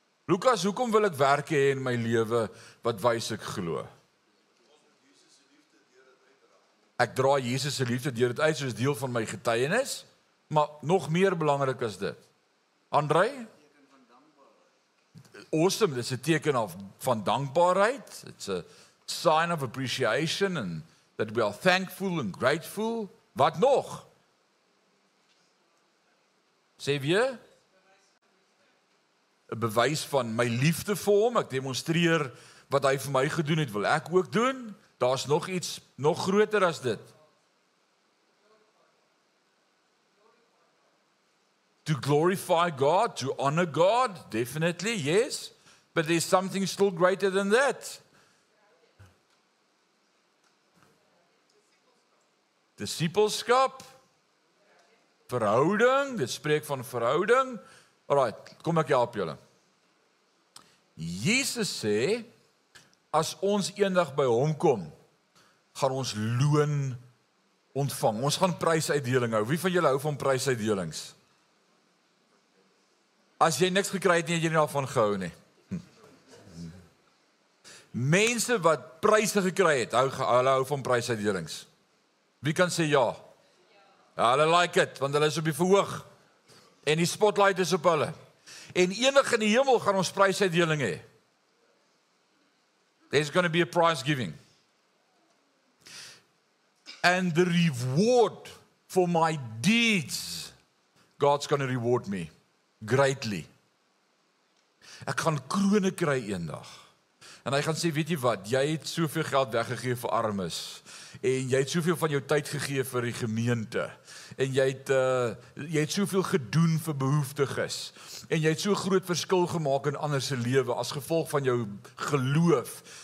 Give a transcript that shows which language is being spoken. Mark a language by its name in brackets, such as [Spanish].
[Afrikaans] Lukas, hoekom wil ek werk hê in my lewe wat wys ek glo? Ek dra Jesus se liefde deur dit uit soos deel van my getuienis, maar nog meer belangrik is dit. Andrei? Awesome, dit is 'n teken van dankbaarheid. [English] It's a sign of appreciation and that we are thankful and grateful. [Afrikaans] Wat nog? Sê weer? 'n Bewys van my liefde vir hom. Ek demonstreer wat hy vir my gedoen het, wil ek ook doen. Daar's nog iets nog groter as dit. [English] To glorify God, to honor God, definitely, yes. But there's something still greater than that. [Afrikaans] Discipleskap. Verhouding, dit spreek van verhouding. Alright, kom ek help julle. Jesus sê, as ons eendag by hom kom, gaan ons loon ontvang. Ons gaan prysuitdeling hou. Wie van julle hou van prysuitdelings? As jy niks gekry het nie, het jy nie daarvan gehou nie. Mense wat pryse gekry het, hulle hou van prysuitdelings. Wie kan sê ja? Ja, hulle [English] like it, [Afrikaans] want hulle is op die verhoog. En die spotlight is op hulle. En enig in die hemel gaan ons prysuitdeling hê. [English] There's going to be a prize giving. And the reward for my deeds, God's going to reward me greatly. [Afrikaans] Ek gaan krone kry eendag. En hy gaan sê, weet jy wat, jy het soveel geld weggegee vir armes. En jy het soveel van jou tyd gegee vir die gemeente. En jy het soveel gedoen vir behoeftiges. En jy het so groot verskil gemaak in ander se lewe as gevolg van jou geloof.